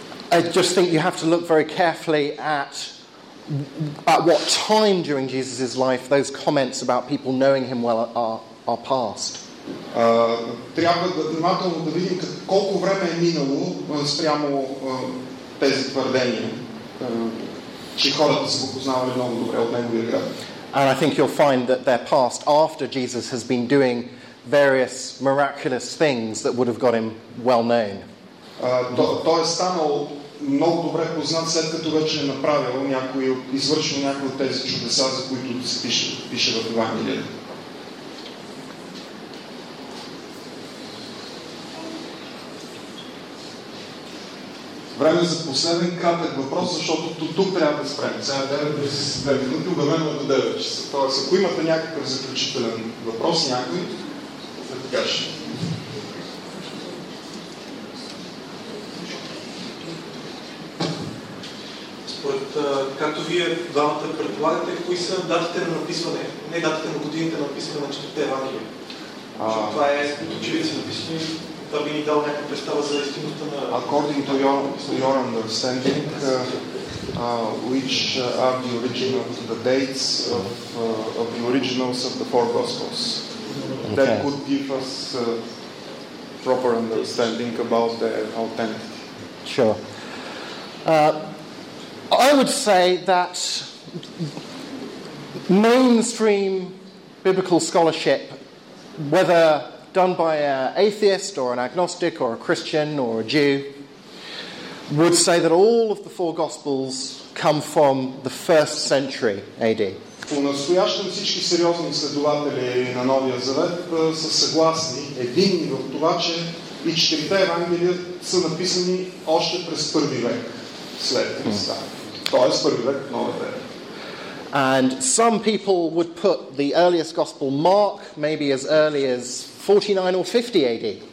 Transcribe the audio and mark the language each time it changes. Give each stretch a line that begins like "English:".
English: I just think you have to look very carefully at what time during Jesus' life those comments about people knowing him well are passed.
Bulgarian: Трябва да внимателно да видим колко време е минало спрямо тези твърдения, че хората са го познавали много добре от неговия град.
English: And I think you'll find that they're passed after Jesus has been doing various miraculous things that would have got him well known.
Bulgarian: Той е станал много добре познат, след като вече е направил някои, извършил някои от тези чудеса, за които се пише в Евангелието. Време за последен кратък въпрос, защото тук трябва да спрем. Сега 9:32 минути, обявено е до 9 часа. Тоест, ако имате някакъв заключителен въпрос, някой, да ти кажа. Според, както вие двамата предполагате, кои са датите на написване, не датите на годините на написване на четвърта Евангелие? Това е очевидно написано.
English: According to your understanding, which are the original the dates of the originals of the four Gospels? Okay. That could give us proper understanding about the authenticity. Sure. I would say that mainstream biblical scholarship, whether done by an atheist or an agnostic or a Christian or a Jew, would say that all of the four Gospels come from the first century AD.
Bulgarian: По-настоящем всички сериозни изследователи на Новия Завет са съгласни, единни в това, че и четирите Евангелия са написани още през първи век след Христа. Тоест първи век, Новия Завет.
English: And some people would put the earliest gospel, Mark, maybe as early as 49 or 50 AD.